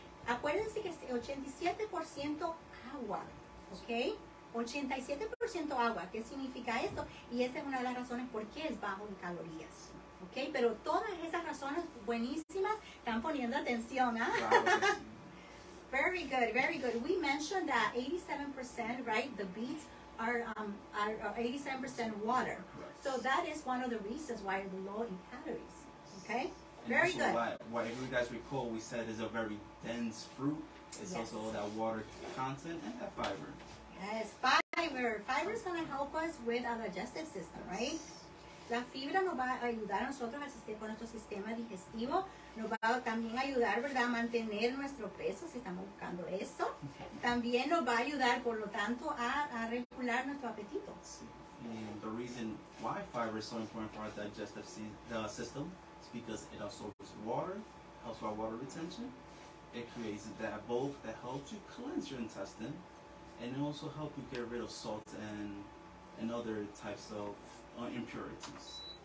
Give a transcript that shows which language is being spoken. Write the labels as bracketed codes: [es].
[es] Acuérdense que es 87% agua, ¿ok? 87% agua, ¿qué significa esto? Y esa es una de las razones por qué es bajo en calorías, ¿ok? Pero todas esas razones buenísimas están poniendo atención, ¿ah? Claro. [en] Very good, very good. We mentioned that 87%, right, the beets are 87% water. Correct. So that is one of the reasons why they're low in calories. Okay? And very good. What if you guys recall, we said it's a very dense fruit. It's yes. Also that water content and that fiber. Yes, fiber. Fiber is going to help us with our digestive system, yes. Right? [es] La fibra nos va a ayudar a nosotros con nuestro sistema digestivo. Nos va a también ayudar, ¿verdad?, a mantener nuestro peso, si estamos buscando eso. También nos va a ayudar, por lo tanto, a regular nuestro apetito. Sí. [en] And the reason why fiber is so important for our digestive system is because it absorbs water, helps our water retention. It creates that bulk that helps you cleanse your intestine. And it also helps you get rid of salt and other types of impurities.